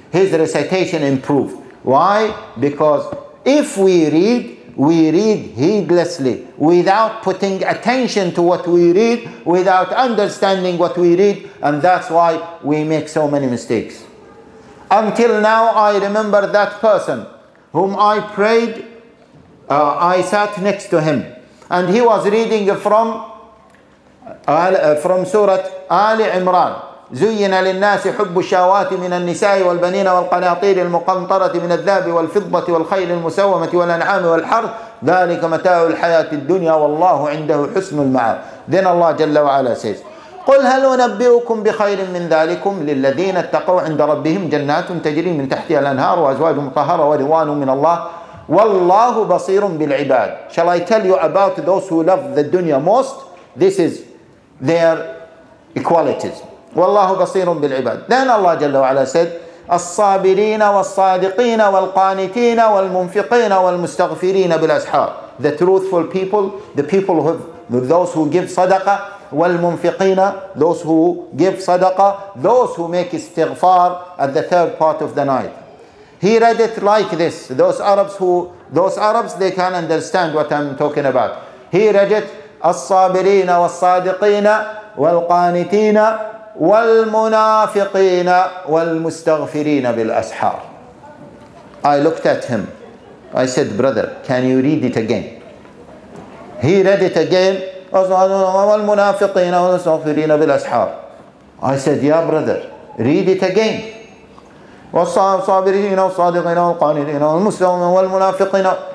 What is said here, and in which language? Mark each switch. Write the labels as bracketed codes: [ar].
[en] His recitation improved. Why? Because if we read, we read heedlessly, without putting attention to what we read, without understanding what we read, and that's why we make so many mistakes. Until now, I remember that person whom I prayed. I sat next to him, and he was reading from Surah Ali Imran. [ar] زين للناس حب الشهوات من النساء والبنين والقناطير المقنطرة من الذهب والفضة والخيل المسومة والأنعام والحرث ذلك متاع الحياة الدنيا والله عنده حسن المآب. [en] Then Allah [ar] جل وعلا [en] says, [ar] قل هل أنبئكم بخير من ذلكم للذين اتقوا عند ربهم جنات تجري من تحتها الأنهار وأزواج مطهرة ورضوان من الله والله بصير بالعباد. [en] Shall I tell you about those who love the dunya most? This is their equalities. [ar] والله بصير بالعباد. [en] Then Allah [ar] جل وعلا [en] said, [ar] الصابرين والصادقين والقانتين والمنفقين والمستغفرين بالأسحار. [en] The truthful people, the people who those who give sadaqah, [ar] والمنفقين, [en] those who give sadaqah, those who make istighfar at the third part of the night. He read it like this. Those Arabs, they can understand what I'm talking about. He read it, [ar] الصابرين والصادقين والقانتين والمنافقين والمستغفرين بالأسحار. [en] I looked at him. I said, brother, can you read it again? He read it again. [ar] والمنافقين والمستغفرين بالأسحار. [en] I said, yeah, brother, read it again. [ar] والصابرين والصادقين والقانتين والمسلمين والمنافقين.